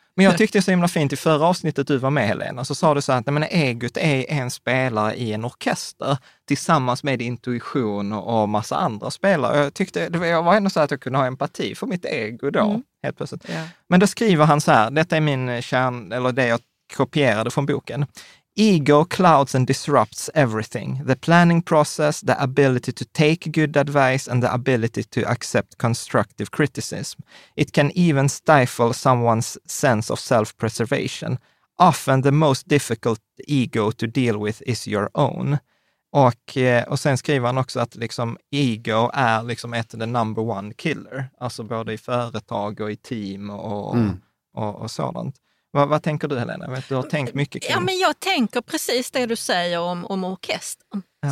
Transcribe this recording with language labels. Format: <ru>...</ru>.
<sv>Men jag tyckte det så himla fint i förra avsnittet du var med, Helena, så sa du så här att nej, men egot är en spelare i en orkester tillsammans med intuition och massa andra spelare. Jag tyckte det var ändå så att jag kunde ha empati för mitt ego då, helt plötsligt. Ja. Men då skriver han så här, detta är min kärn, eller det jag kopierade från boken.</sv> <en>Ego clouds and disrupts everything. The planning process, the ability to take good advice and the ability to accept constructive criticism. It can even stifle someone's sense of self-preservation. Often the most difficult ego to deal with is your own.</en> <sv>Och sen skriver han också att liksom ego är liksom ett</sv> <en>the number one killer.</en> <sv>Alltså både i företag och i team och sådant. Vad tänker du, Helena? Du har tänkt mycket kring... Ja, men jag tänker precis det du säger om orkestern. Ja.</sv>